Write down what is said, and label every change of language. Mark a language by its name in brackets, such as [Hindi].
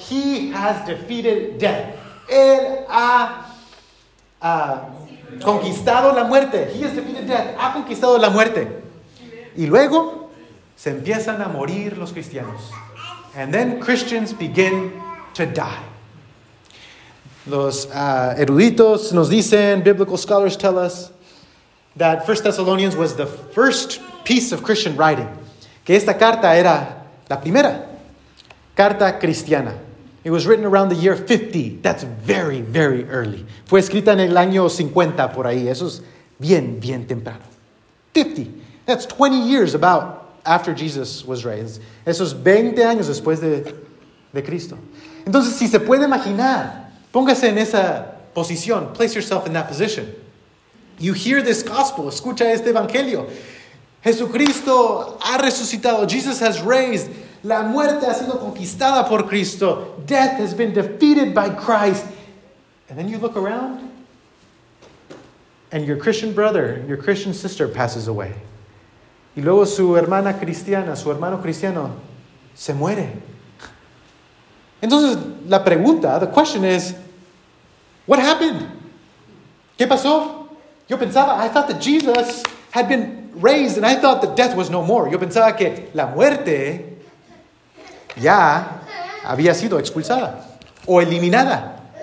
[English] He has defeated death. [Spanish] Él ha conquistado la muerte. [English] He has defeated death. [Spanish] Ha conquistado la muerte. Y luego se empiezan a morir los cristianos. [English] And then Christians begin to die. [Spanish] Los eruditos nos dicen, [English] biblical scholars tell us, that 1 Thessalonians was the first piece of Christian writing. [Spanish] Que esta carta era la primera carta cristiana. [English] It was written around the year 50. That's very, very early. [Spanish] Fue escrita en el año 50 por ahí. Eso es bien, bien temprano. 50. [English] That's 20 years about after Jesus was raised. [Spanish] Eso es 20 años después de Cristo. Entonces, si se puede imaginar, póngase en esa posición. [English] Place yourself in that position. You hear this gospel. [Spanish] Escucha este evangelio. Jesucristo ha resucitado. [English] Jesus has raised. [Spanish] La muerte ha sido conquistada por Cristo. [English] Death has been defeated by Christ. And then you look around, and your Christian brother, your Christian sister passes away. [Spanish] Y luego su hermana cristiana, su hermano cristiano, se muere. Entonces, la pregunta, [English] the question is, what happened? [Spanish] ¿Qué pasó? Yo pensaba, [English] I thought that Jesus had been raised, and I thought that death was no more. [Spanish] Yo pensaba que la muerte ya había sido expulsada o eliminada.